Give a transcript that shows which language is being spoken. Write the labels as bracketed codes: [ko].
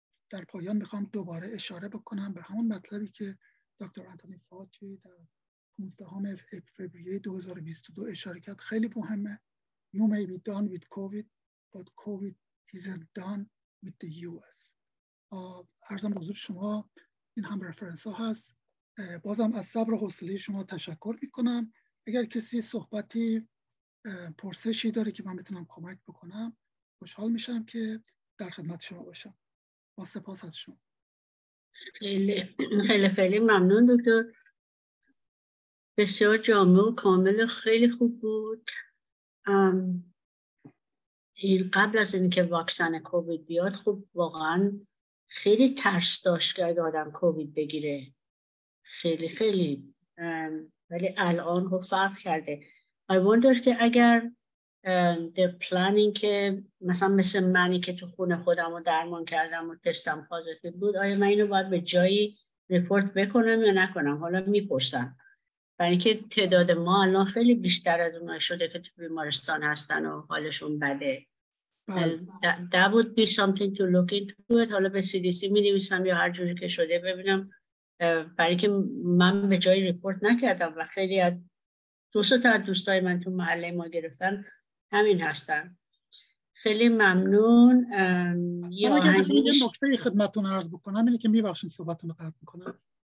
[fa] در پایان میخوام دوباره اشاره بکنم به همون مطلبی که دکتر آنتونی فاوچی در 15 فوریه 2022 اشاره کرد. خیلی مهمه. [en] You may be done with COVID, but COVID isn't done with the US. [fa] عرضم بزرگ شما این هم رفرنس ها هست. بازم از صبر و حوصله شما تشکر میکنم. اگر کسی صحبتی پرسشی داره که من بتونم کمک بکنم، خوشحال میشم که در خدمت شما باشم. با سپاس از شما. خیلی ممنون دکتر. بسیار جامع و کامل، خیلی خوب بود. این قبل از اینکه واکسن کووید بیاد، خب واقعا خیلی ترس داشت که آدم کووید بگیره، خیلی ولی الان خب فرق کرده. [en] I wonder [fa] که اگر [en] the planning [fa] که مثل منی که تو خونه خودم رو درمان کردم و تستم پازیتیو بود، آیا من اینو باید به جایی ریپورت بکنم یا نکنم؟ حالا میپرسم، برای اینکه تعداد ما الان خیلی بیشتر از اونها شده که تو بیمارستان هستن و حالشون بده. [en] That would be something to look into it. [fa] حالا به CDC می نویسم یا هر جوری که شده ببینم، برای اینکه من به جایی ریپورت نکردم و خیلی از دوستان دوستای من تو محله ما گرفتن همین هستن. خیلی ممنون. من اگر بتونم یه نکته خدمتون عرض بکنم، اینه که میبخشین صحبتون رو قطع میکنم.